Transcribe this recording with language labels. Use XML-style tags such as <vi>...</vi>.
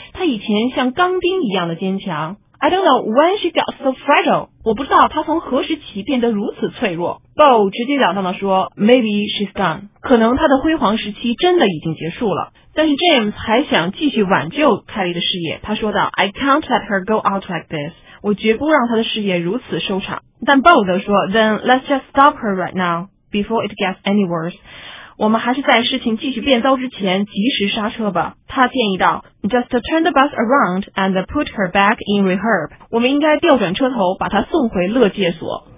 <zh>她以前像钢钉一样的坚强。</zh> <en>I don't know when she got so fragile.</en> <zh>我不知道她从何时起变得如此脆弱。 Beau 直接了当地说</zh> <en>Maybe she's done.</en> <zh>可能她的辉煌时期真的已经结束了。但是 James 还想继续挽救凯莉的事业。他说道</zh> <en>I can't let her go out like this.</en> <zh>我绝不让她的事业如此收场。但</zh> <en>Beau</en> <zh>则说</zh> <en>Then let's just stop her right now before it gets any worse.</en> <zh>我们还是在事情继续变糟之前及时刹车吧。他建议道</zh> <en>Just turn the bus around and put her back in rehab.</en> <zh>我们应该调转车头把她送回乐戒所。</zh>